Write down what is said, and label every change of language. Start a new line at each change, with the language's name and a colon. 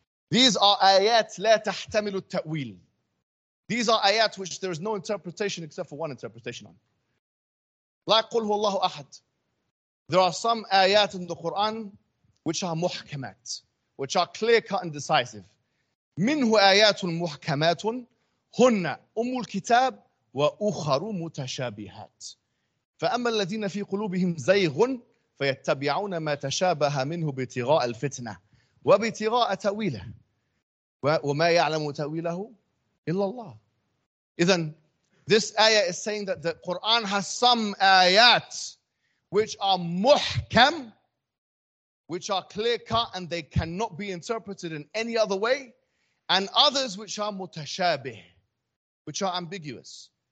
English: These are ayat la tahtamilu ta'wil. These are ayat which there is no interpretation except for one interpretation on. Like qul huwallahu ahad. There are some ayat in the Quran which are muhkamat, which are clear cut and decisive.
Arabic: منه آيات محكمات هن أم الكتاب وأخر متشابهات فأما الذين في قلوبهم زيغ فيتبعون ما تشابه منه ابتغاء الفتنة وابتغاء تأويله وما يعلم تأويله إلا الله. إذن
English: This ayah is saying that the Quran has some ayat which are muhkam, which are clear cut and they cannot be interpreted in any other way, and others which are mutashabih, which are ambiguous.